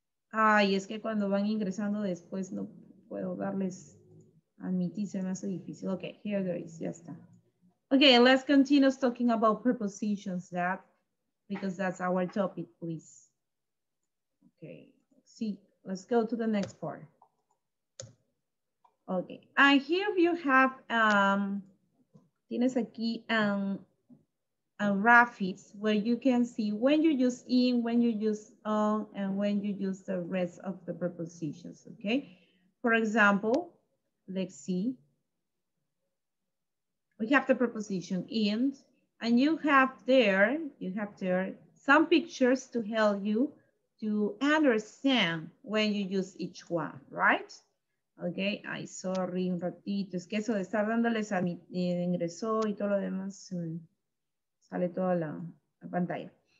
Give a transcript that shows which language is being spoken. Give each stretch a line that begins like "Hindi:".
Spanish: Ay, es que cuando van ingresando después no puedo darles. Admitir, se me hace difícil.
English: Ok, here there is.
Spanish: Ya está.
English: Okay, let's continue talking about prepositions that, because that's our topic, please. Okay, see, let's go to the next part. Okay, and here you have,
Spanish: tienes aquí
English: graphics where you can see when you use in, when you use on, and when you use the rest of the prepositions, okay? For example, let's see. We have the preposition in, and you have there some pictures to help you to understand when you use each one, right? Okay, ay, sorry,
Spanish: un ratito. Es que eso de estar dándoles a mi ingreso y todo lo demás, sale toda la pantalla.